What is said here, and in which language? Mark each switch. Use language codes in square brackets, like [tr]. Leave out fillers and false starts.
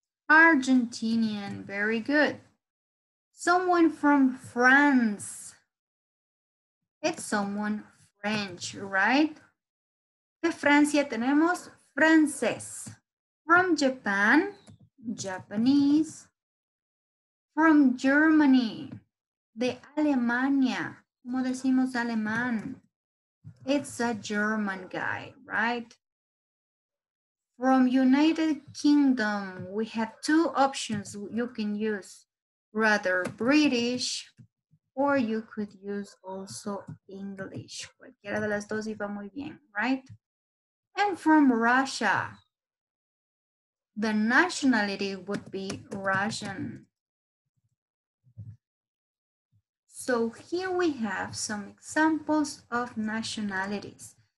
[en] Argentinian, very good. Someone from France. It's someone French, right? [es] De Francia tenemos francés. [en] From Japan, Japanese. From Germany, [es] de Alemania. Como decimos alemán, [en] it's a German guy, right? From United Kingdom, we have two options you can use. Rather British, or you could use also English. [es] Cualquiera de las dos iba muy bien, right? [en] And from Russia. The nationality would be Russian. So here we have some examples of nationalities.